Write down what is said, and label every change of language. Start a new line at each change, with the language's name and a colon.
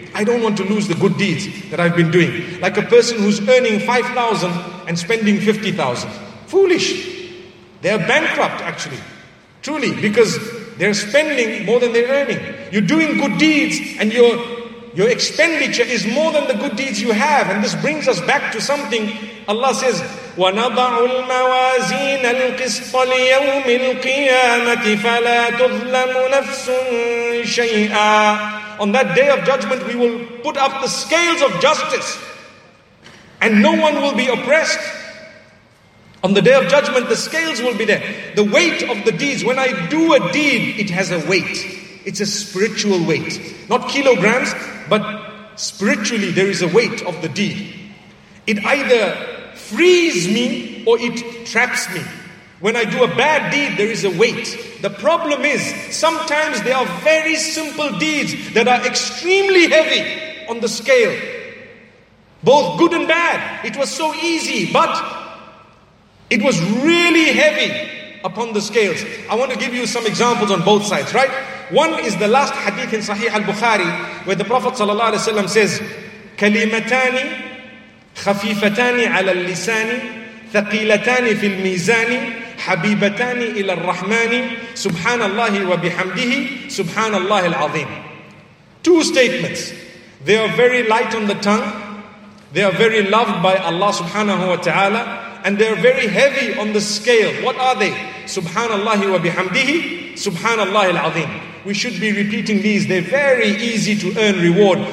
English: I don't want to lose the good deeds that I've been doing. Like a person who's earning 5,000 and spending 50,000. Foolish. They're bankrupt actually. Truly. Because they're spending more than they're earning. You're doing good deeds and your expenditure is more than the good deeds you have. And this brings us back to something. Allah says,
Arabic: وَنَضَعُ الْمَوَازِينَ الْقِسْطَ لِيَوْمِ الْقِيَامَةِ فَلَا تُظْلَمُ نَفْسٌ شَيْئًا.
English: On that day of judgment, we will put up the scales of justice and no one will be oppressed. On the day of judgment, the scales will be there. The weight of the deeds. When I do a deed, it has a weight. It's a spiritual weight. Not kilograms, but spiritually there is a weight of the deed. It either frees me or it traps me. When I do a bad deed, there is a weight. The problem is, sometimes there are very simple deeds that are extremely heavy. on the scale, both good and bad. It was so easy, but it was really heavy upon the scales. I want to give you some examples on both sides, right? One is the last hadith in Sahih al-Bukhari, where the Prophet ﷺ says,
Arabic: كَلِمَتَانِ خَفِيفَتَانِ عَلَى اللِّسَانِ ثَقِيلَتَانِ فِي الْمِيزَانِ حَبِيبَتَانِ إِلَى الرَّحْمَانِ سُبْحَانَ اللَّهِ وَبِحَمْدِهِ سُبْحَانَ اللَّهِ الْعَظِيمِ.
English: Two statements. They are very light on the tongue. They are very loved by Allah subhanahu wa ta'ala. And they are very heavy on the scale. What are they?
Arabic: Subhanallah wa bihamdihi, subhanallah al-azim.
English: We should be repeating these. They're very easy to earn reward.